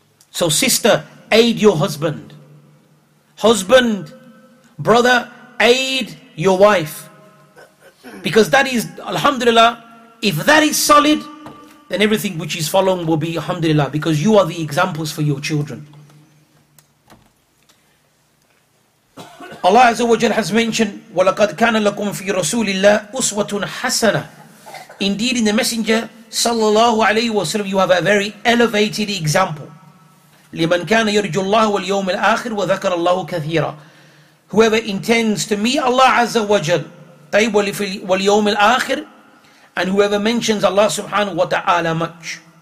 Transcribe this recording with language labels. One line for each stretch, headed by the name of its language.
English: So sister, aid your husband. Husband, brother, aid your wife. Because that is, alhamdulillah, if that is solid, then everything which is following will be alhamdulillah, because you are the examples for your children. Allah Azza wa Jal has mentioned,
Arabic: وَلَقَدْ كَانَ لَكُمْ فِي رَسُولِ اللَّهِ أُسْوَةٌ حَسَنَةٌ.
English: Indeed, in the Messenger sallallahu alayhi wa sallam, you have a very elevated example.
Arabic: لِمَنْ كَانَ يَرْجُ اللَّهُ وَالْيَوْمِ الْآخِرِ وَذَكَرَ اللَّهُ كَثِيرًا.
English: Whoever intends to meet Allah Azza wa Jal,
Arabic: طيب واليوم الآخر,
English: and whoever mentions Allah subhanahu wa ta'ala much.